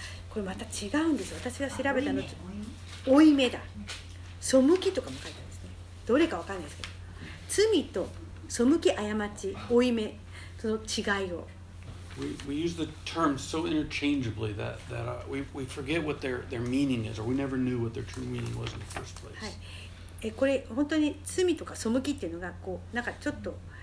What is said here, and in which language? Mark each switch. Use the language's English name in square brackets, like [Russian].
[Japanese] これまた違うんです。私が調べたのと負い目だ。背きとかも書いてあるんですね。どれか分かんないですけど、罪と背き過ち負い目その違いを。 [English] We use the terms so interchangeably that we forget what their meaning is, or we never knew what their true meaning was in the first place. [Japanese] はい。これ本当に罪とか背きっていうのがこうなんかちょっと。